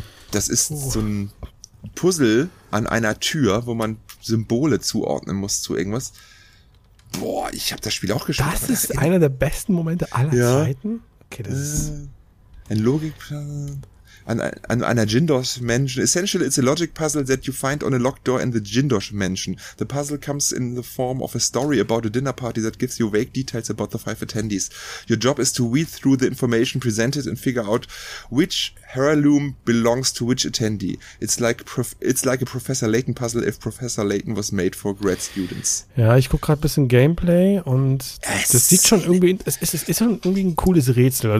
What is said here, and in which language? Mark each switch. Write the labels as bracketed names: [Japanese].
[German] Das ist so ein Puzzle an einer Tür, wo man Symbole zuordnen muss zu irgendwas. Boah, ich habe das Spiel auch gespielt. Das ist einer der besten Momente aller Zeiten? Okay, das ist ein Logikplan. An einer Jindosh Mansion. [English] Essentially, it's a logic puzzle that you find on a locked door in the Jindosh Mansion. The puzzle comes in the form of a story about a dinner party that gives you vague details about the five attendees. Your job is to weed through the information presented and figure out which heirloom belongs to which attendee. It's like a Professor Layton puzzle if Professor Layton was made for grad students. [German] Ja, ich guck gerade ein bisschen Gameplay und das sieht schon irgendwie, es ist schon irgendwie ein cooles Rätsel.